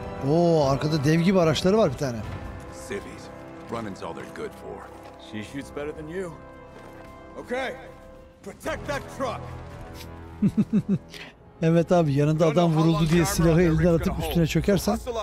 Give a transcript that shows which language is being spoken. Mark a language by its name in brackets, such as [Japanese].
[Turkish] Oo, arkada dev gibi araçları var bir tane. [English] Civvies. Running's all they're good for. She shoots better than you. Okay. Protect that truck. [Turkish] Evet abi, yanında adam vuruldu diye silahı elinden atıp üstüne çökersen.